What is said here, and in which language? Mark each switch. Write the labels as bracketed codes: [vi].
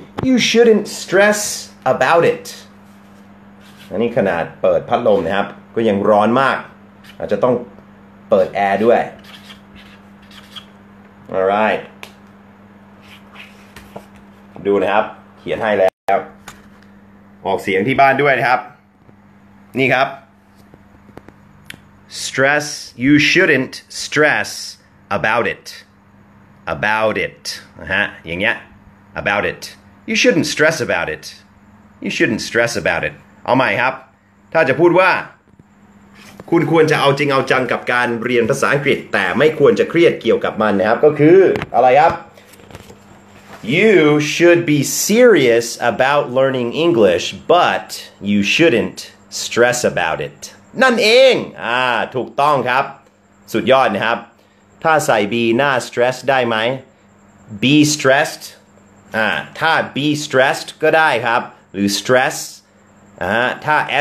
[en] you shouldn't stress about it. [th] อันนี้ขนาดเปิดพัดลมนะครับก็ยังร้อนมากอาจจะต้องเปิดแอร์ด้วย [en] All right. [th] ดูนะครับเขียนให้แล้วออกเสียงที่บ้านด้วยนะครับนี่ครับ [en] Stress you shouldn't stress about it. About it. [th] นะฮะอย่างเงี้ย [en] About it. You shouldn't stress about it. You shouldn't stress about it. [th] เอาใหม่ครับถ้าจะพูดว่าคุณควรจะเอาจริงเอาจังกับการเรียนภาษาอังกฤษแต่ไม่ควรจะเครียดเกี่ยวกับมันนะครับก็คืออะไรครับ [en] You should be serious about learning English but you shouldn't stress about it [th] นั่นเองถูกต้องครับสุดยอดนะครับถ้าใส่ [en] be หน้า stress ได้ไหม be stressed ถ้า be stressed ก็ได้ครับหรือ stressถ้า